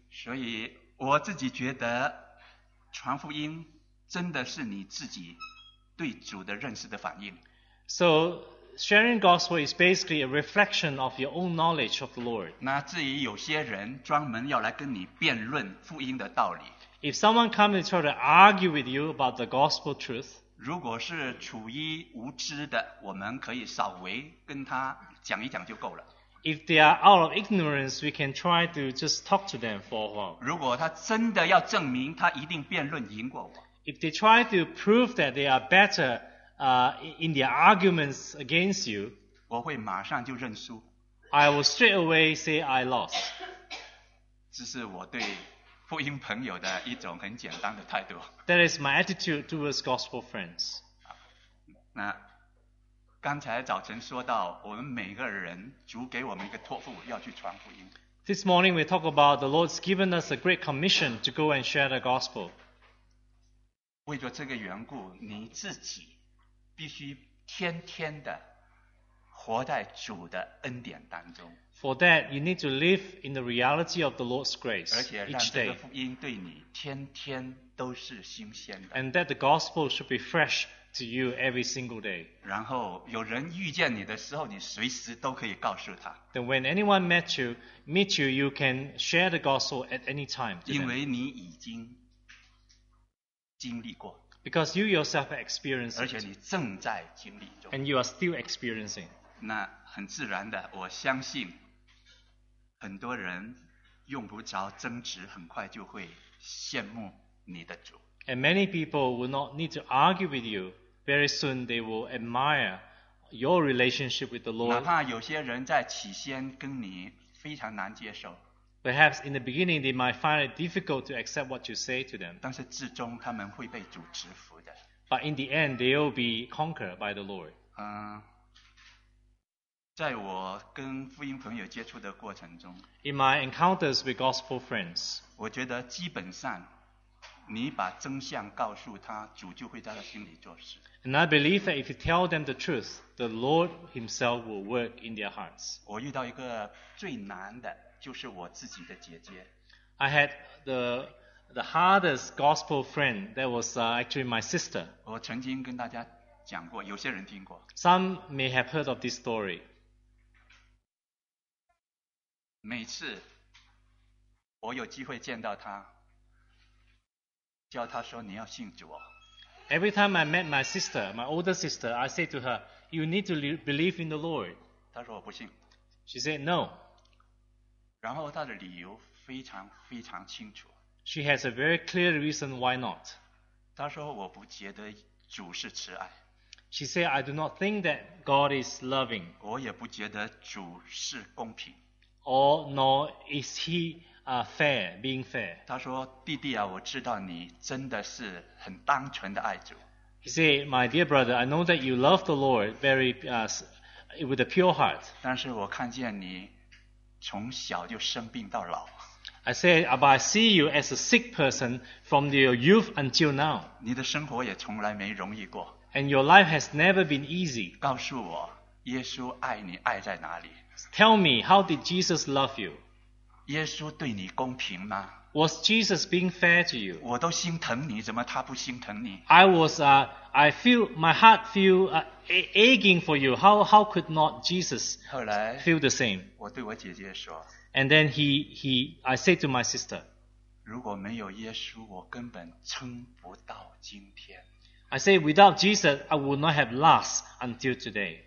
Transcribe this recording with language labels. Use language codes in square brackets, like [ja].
[zh] 所以我自己觉得传福音真的是你自己对主的认识的反应。 [en] So sharing gospel is basically a reflection of your own knowledge of the Lord. [zh] 那至于有些人专门要来跟你辩论福音的道理。 [en] If someone comes and try to argue with you about the gospel truth, [zh] 如果是处于无知的，我们可以稍微跟他讲一讲就够了。 [en] If they are out of ignorance, we can try to just talk to them for a while. [zh] 如果他真的要证明他一定辩论赢过我。 [en] If they try to prove that they are better, in their arguments against you, [zh] 我会马上就认输。 [en] I will straight away say I lost. [zh] 这是我对福音朋友的一种很简单的态度。 [en] That is my attitude towards gospel friends. [zh] 那刚才早晨说到，我们每个人主给我们一个托付，要去传福音。 [en] This morning we talk about the Lord's given us a great commission to go and share the gospel. [zh] 为着这个缘故，你自己必须天天的活在主的恩典当中。 [en] For that, you need to live in the reality of the Lord's grace each day. [zh] 而且让这个福音对你天天都是新鲜的。 [en] And that the gospel should be fresh to you every single day. [zh] 然后有人遇见你的时候，你随时都可以告诉他。 [en] Then when anyone meets you, you can share the gospel at any time. [zh] 因为你已经经历过。 [en] Because you yourself have experienced it. [zh] 而且你正在经历中。 [en] And you are still experiencing. [zh] 那很自然的，我相信很多人用不着争执，很快就会羡慕你的主。 [en] And many people will not need to argue with you. Very soon they will admire your relationship with the Lord. [zh] 哪怕有些人在起先跟你非常难接受。 [en] Perhaps in the beginning they might find it difficult to accept what you say to them. [zh] 但是至终他们会被主制服的。 [en] But in the end they will be conquered by the Lord. [zh] 在我跟福音朋友接触的过程中， [en] In my encounters with gospel friends, [zh] 我觉得基本上你把真相告诉他，主就会在他心里做事。 [en] And I believe that if you tell them the truth, the Lord himself will work in their hearts. [zh] 我遇到一个最难的就是我自己的姐姐。 [en] I had the hardest gospel friend that was actually my sister. [zh] 我曾经跟大家讲过，有些人听过。 [en] Some may have heard of this story. [zh] 每次我有机会见到他，叫他说你要信主哦。 [en] Every time I met my sister, my older sister, I said to her, "You need to believe in the Lord." [zh] 她说我不信。 [en] She said no. [zh] 然后她的理由非常非常清楚。 [en] She has a very clear reason why not. [zh] 她说我不觉得主是慈爱。 [en] She said I do not think that God is loving. [zh] 我也不觉得主是公平。 [en] Or nor is he fair, being fair. [zh] 他说，弟弟啊，我知道你真的是很单纯的爱主。 [en] He said, my dear brother, I know that you love the Lord very with a pure heart. [zh] 但是我看见你从小就生病到老。 [en] I say, but I see you as a sick person from your youth until now. [zh] 你的生活也从来没容易过。 [en] And your life has never been easy. [zh] 告诉我，耶稣爱你爱在哪里？ [en] Tell me, how did Jesus love you? [zh] 耶稣对你公平吗？ [en] Was Jesus being fair to you? [zh] 我都心疼你，怎么他不心疼你？ [en] I feel my heart feel aching for you. How could not Jesus feel the same? [zh] 我对我姐姐说。 [en] And then I said to my sister, [zh] 如果没有耶稣，我根本撑不到今天。 [en] I say, without Jesus, I would not have lasted until today.